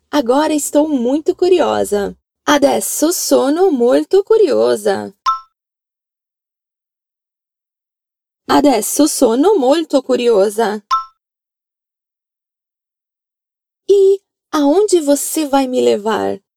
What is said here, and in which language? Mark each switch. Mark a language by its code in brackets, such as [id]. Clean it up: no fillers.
[pt] Agora estou muito curiosa. [it] Adesso sono molto curiosa. Adesso sono molto curiosa. [pt] E aonde você vai me levar?